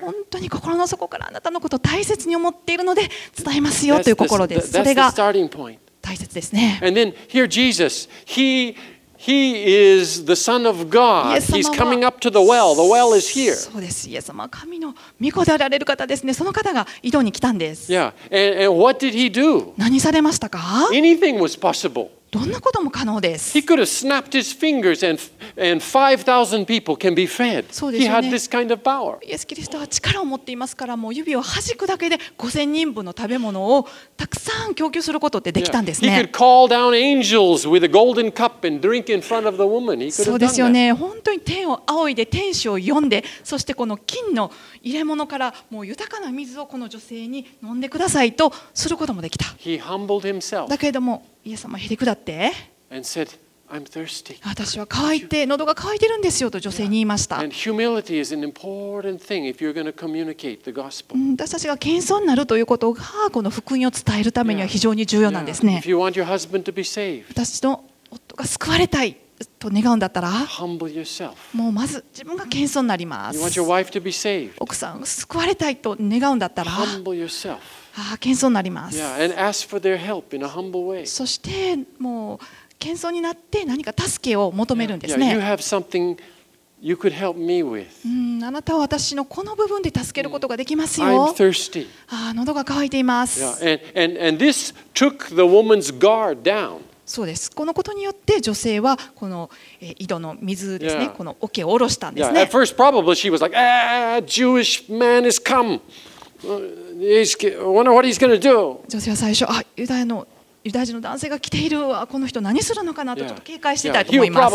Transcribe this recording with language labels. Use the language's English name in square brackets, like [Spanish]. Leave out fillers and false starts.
[Japanese] 本当に心の底からあなたのことを大切に思っているので伝えますよという心です。それが大切ですね。 [English] And then here Jesus, He is the Son of God. He's coming up to the well. The well is here. [Japanese] そうです。イエス様、神の御子であられる方ですね。その方が井戸に来たんです。 [English] Yeah. And what did he do? [Japanese] 何されましたか? [English] Anything was possible. [Japanese] どんなことも可能です。 [English] He could have snapped his fingers and 5,000 people can be fed. [Japanese] そうですね。 [English] He had this kind of power. [Japanese] イエス・キリストは力を持っていますから、もう指を弾くだけで 5,000 人分の食べ物をたくさん供給することってできたんですね。 [English] He could call down angels with a golden cup and drink in front of the woman. He could have done that. [Japanese] そうですよね。本当に天を仰いで天使を呼んで、そしてこの金の入れ物からもう豊かな水をこの女性に飲んでくださいとすることもできた。 [English] He humbled himself. [Japanese] だけれども、イエス様へりくだって。 [English] And said, I'm thirsty. [Japanese] 私は渇いて、喉が渇いてるんですよと女性に言いました。 [English] And humility is an important thing if you're going to communicate the gospel. [Japanese] 私たちが謙遜になるということがこの福音を伝えるためには非常に重要なんですね。 [English] If you want your husband to be saved. [Japanese] 私の夫が救われたい。と願うんだったら、 [English] Humble yourself. [Japanese] もうまず自分が謙遜になります。 [English] You want your wife to be saved. [Japanese] 奥さんを救われたいと願うんだったら、 [English] Humble yourself. [Japanese] ああ、謙遜になります。 [English] Yeah, and ask for their help in a humble way. [Japanese] そしてもう謙遜になって何か助けを求めるんですね。 [English] You have something you could help me with. [Japanese] あなたは私のこの部分で助けることができますよ。 [English] I'm thirsty. [Japanese] ああ、喉が渇いています。 [English] Yeah, and this took the woman's guard down. [Japanese] そうです。このことによって女性はこの井戸の水ですね、 [English] yeah. [Japanese] この桶を下ろしたんですね。 [English] At first, probably she was like, "Ah, Jewish man is come. He's wonder what he's going to do." [Japanese] 女性は最初、あ、ユダヤ人の男性が来ているわ。この人何するのかなとちょっと警戒していたと思います。